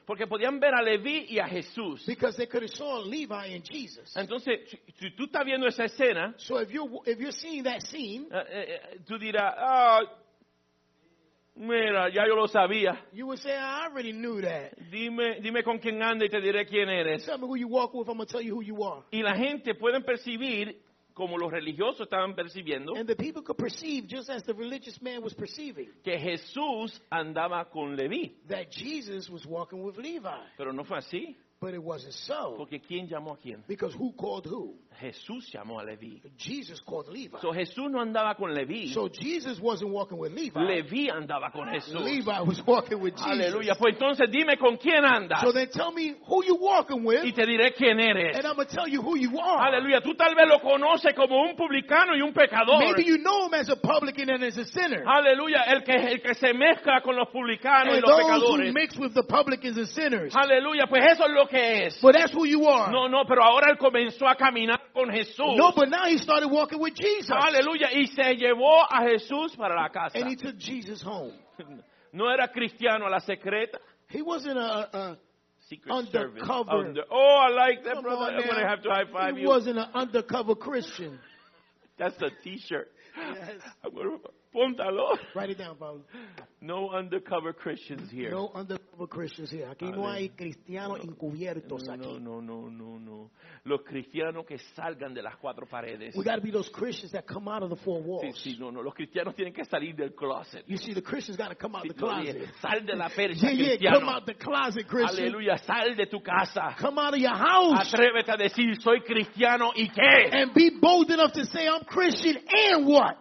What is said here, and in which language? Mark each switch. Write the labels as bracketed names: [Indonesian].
[Spanish] Porque podían ver a Levi y a Jesús. [English] Because they could have saw Levi and Jesus. [Spanish] Entonces, si tú estás viendo esa escena. [English] So if you're seeing that scene. [Spanish] Tú dirás, mira, ya yo lo sabía. [English] You would say, I already knew that. [Spanish] Dime con quién anda y te diré quién eres. [English] Tell me who you walk with, I'm going to tell you who you are. [Spanish] Y la gente pueden percibir como los religiosos estaban percibiendo. [English] And the people could perceive just as the religious man was perceiving. [Spanish] Que Jesús andaba con Leví. [English] That Jesus was walking with Levi. [Spanish] Pero no fue así. [English] But it wasn't so. [Spanish] Porque ¿quién llamó a quién? [English] Because who called who? [Spanish] Jesús llamó a Leví. [English] Jesus called Levi. [Spanish] So Jesús no andaba con Leví. [English] So Jesus wasn't walking with Levi. [Spanish] Leví andaba con Jesús. [English] Levi was walking with Jesus. [Spanish] Aleluya. Pues entonces dime con quién andas. [English] So then tell me who you walking with. [Spanish] Y te diré quién eres. [English] And I'm going to tell you who you are. [Spanish] Aleluya. Tú tal vez lo conoces como un publicano y un pecador. [English] Maybe you know him as a publican and as a sinner. [Spanish] Aleluya. El que se mezcla con los publicanos [English] and [Spanish] y los pecadores. [English] And those who mix with the publicans and sinners. [Spanish] Aleluya. Pues eso es lo que es. [English] But that's who you are. [Spanish] No, pero ahora él comenzó a caminar con Jesús. [English] No, but now he started walking with Jesus. [Spanish] Aleluya. Y se llevó a Jesús para la casa. [English] And he took Jesus home. [Spanish] No era cristiano a la secreta. [English] He wasn't a secret undercover. I like that, come brother. I'm going to have to high five he you. He wasn't an undercover Christian. That's a t-shirt. Yes. [Spanish] Póntalo. [English] Write it down, Paul. No undercover Christians here. No undercover Christians here. [Spanish] Aquí no hay cristianos encubiertos aquí. No. Los cristianos que salgan de las cuatro paredes. [English] We got to be those Christians that come out of the four walls. [Spanish] Sí, no. Los cristianos tienen que salir del closet. [English] You see, the Christians got to come out of the closet. [Spanish] Sal de la percha, cristiano. [English] Yeah, come out the closet, Christian. [Spanish] Aleluya, sal de tu casa. [English] Come out of your house. [Spanish] Atrévete a decir, soy cristiano y qué. [English] And be bold enough to say, I'm Christian and what?